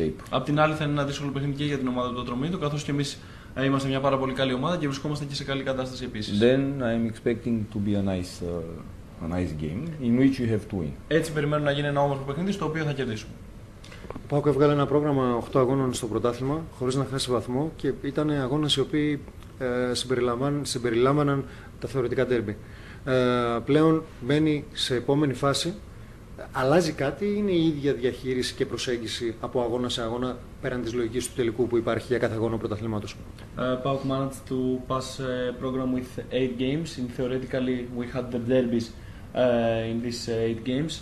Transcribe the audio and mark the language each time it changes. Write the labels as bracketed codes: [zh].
[el] Απ' την άλλη, θα είναι ένα δύσκολο παιχνίδι και για την ομάδα του Ατρομήτου, καθώς και εμείς είμαστε μια πάρα πολύ καλή ομάδα και βρισκόμαστε και σε καλή κατάσταση επίσης. [en] Then I'm expecting to be a nice game in which you have to win. [el] Έτσι περιμένω να γίνει ένα όμορφο παιχνίδι στο οποίο θα κερδίσουμε. Ο ΠΑΟΚ έβγαλε ένα πρόγραμμα 8 αγώνων στο πρωτάθλημα, χωρίς να χάσει βαθμό και ήταν αγώνες οι οποίοι συμπεριλάμβαναν τα θεωρητικά ντέρμπι. πλέον μπαίνει σε επόμενη φάση. Αλλάζει κάτι, είναι η ίδια διαχείριση και προσέγγιση από αγώνα σε αγώνα πέραν της λογικής του τελικού που υπάρχει για κάθε αγώνα πρωταθλήματος? [en] PAOK managed to pass a program with 8 games. In theoretically we had the derbies in these 8 games.